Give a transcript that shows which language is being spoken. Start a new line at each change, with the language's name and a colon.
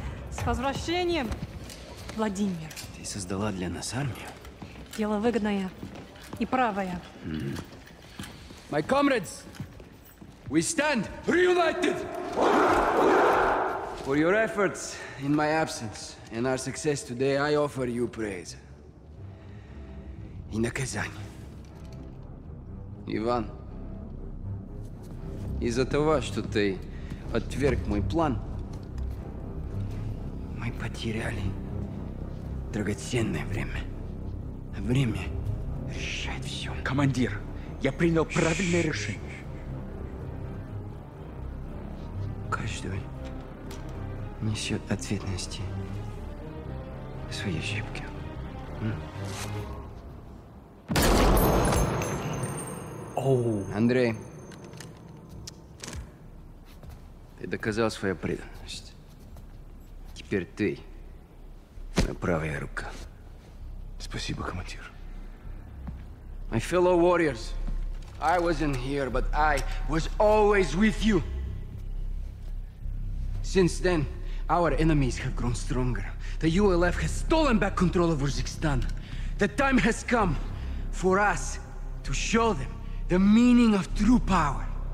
Russian: С возвращением, Владимир. Ты создала для нас армию. Дело выгодное и правое. Mm-hmm.
English: My comrades, we stand reunited for your efforts in my absence and our success today. I offer you praise in the Kazan.
Russian: Иван, из-за того, что ты отверг мой план, мы потеряли драгоценное время. Время решает все. Командир. Я принял правильное решение. Каждый несет ответственности свои ошибки. Андрей, ты доказал свою преданность. Теперь ты моя правая рука. Спасибо, командир.
English: My fellow warriors. I wasn't here, but I was always with you. Since then, our enemies have grown stronger. The ULF has stolen back control of Urzikstan. The time has come for us to show them the meaning of true power.